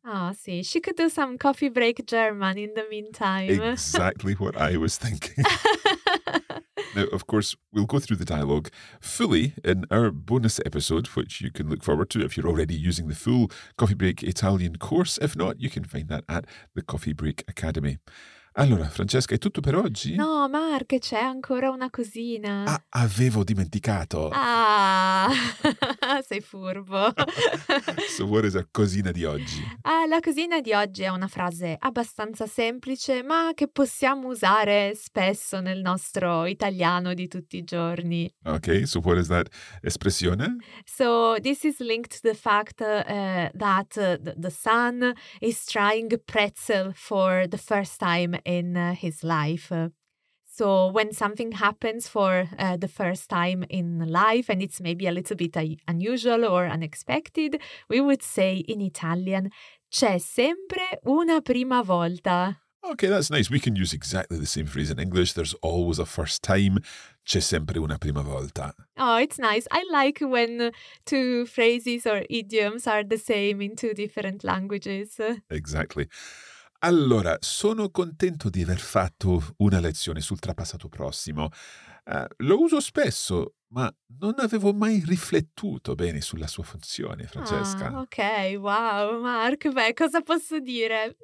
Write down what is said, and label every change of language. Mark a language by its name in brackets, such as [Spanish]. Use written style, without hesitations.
[English] Ah, oh, see, she could do some coffee break German in the meantime. Exactly what I was thinking. Now, of course, we'll go through the dialogue fully in our bonus episode, which you can look forward to if you're already using the full Coffee Break Italian course. If not, you can find that at the Coffee Break Academy. [Italian] Allora, Francesca, è tutto per oggi? No, Mark, c'è ancora una cosina. Ah, avevo dimenticato. Ah, sei furbo. [English] So what is our [Italian] cosina di oggi? La cosina di oggi è una frase abbastanza semplice, ma che possiamo usare spesso nel nostro italiano di tutti i giorni. [English] Ok, so what is that espressione? So this is linked to the fact that the son is trying pretzel for the first time in his life. So when something happens for the first time in life and it's maybe a little bit unusual or unexpected, we would say in Italian, [Italian] c'è sempre una prima volta. [English] Okay, that's nice. We can use exactly the same phrase in English. There's always a first time. [Italian] C'è sempre una prima volta. [English] Oh, it's nice. I like when two phrases or idioms are the same in two different languages. Exactly. [Italian] Allora, sono contento di aver fatto una lezione sul trapassato prossimo. Lo uso spesso, ma non avevo mai riflettuto bene sulla sua funzione, Francesca. Ah, ok, wow, Mark, beh, cosa posso dire?